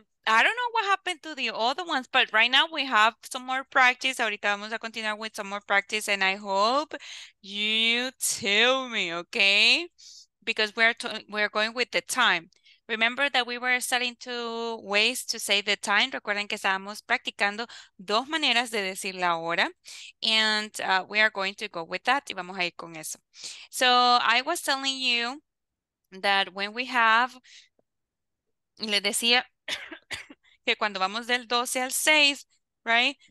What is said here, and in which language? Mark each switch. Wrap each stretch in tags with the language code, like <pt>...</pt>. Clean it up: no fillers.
<en>I don't know what happened to the other ones, but right now we have some more practice.</en> <es>Ahorita vamos a continuar</es> <en>with some more practice, and I hope you tell me, okay? Because we're going with the time. Remember that we were studying two ways to say the time.</en> <es>Recuerden que estábamos practicando dos maneras de decir la hora.</es> <en>And we are going to go with that.</en> <es>Y vamos a ir con eso.</es> <en>So I was telling you that when we have...</en> <es>Le decía que cuando vamos del 12 al 6, right?</es>